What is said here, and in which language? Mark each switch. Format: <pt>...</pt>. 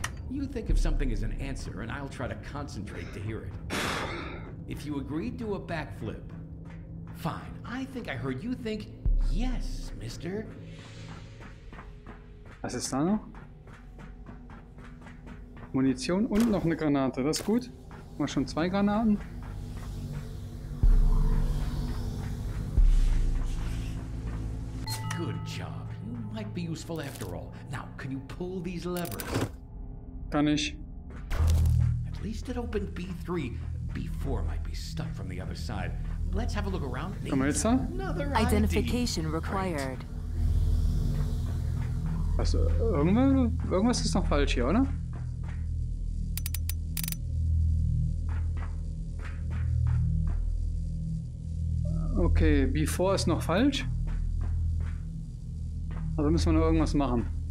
<en>You think if something is an answer and I'll try to concentrate to hear it. If you agree, do a backflip. Fine. I think I heard you think yes, mister.</en> <de>Was ist da noch? Munition und noch eine Granate, das ist gut. Mal schon zwei Granaten.</de> <en>Good job. You might be useful after all. Now, can you pull these levers?</en> <de>Kann ich.</de> <en>At least it opened B3. B4 might be stuck from the other side. Let's have a look around. Come here, sir. Another ID. Identification required.</en> <de>Also, irgendwas ist noch falsch hier, oder? Okay, B4 ist noch falsch. Also müssen wir noch irgendwas machen.</de>